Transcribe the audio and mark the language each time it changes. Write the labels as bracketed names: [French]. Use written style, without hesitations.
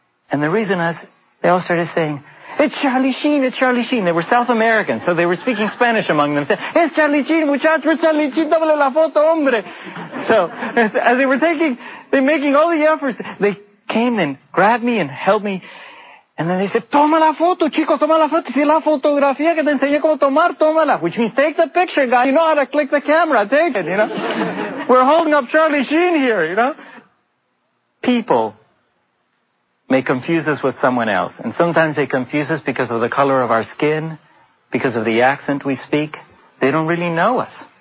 [English] And the reason is, they all started saying, "It's Charlie Sheen, it's Charlie Sheen." They were South American, so they were speaking Spanish among themselves. "It's Charlie Sheen, muchacho, it's Charlie Sheen, [Spanish] dame la foto, hombre." [English] So, as they were making all the efforts, they came and grabbed me and held me. And then they said, [Spanish] "Toma la foto, chico, toma la foto. Si la fotografía que te enseñé cómo tomar, tómala." [English] Which means, take the picture, guy. You know how to click the camera. Take it, you know. We're holding up Charlie Sheen here, you know. People may confuse us with someone else. And sometimes they confuse us because of the color of our skin, because of the accent we speak. They don't really know us.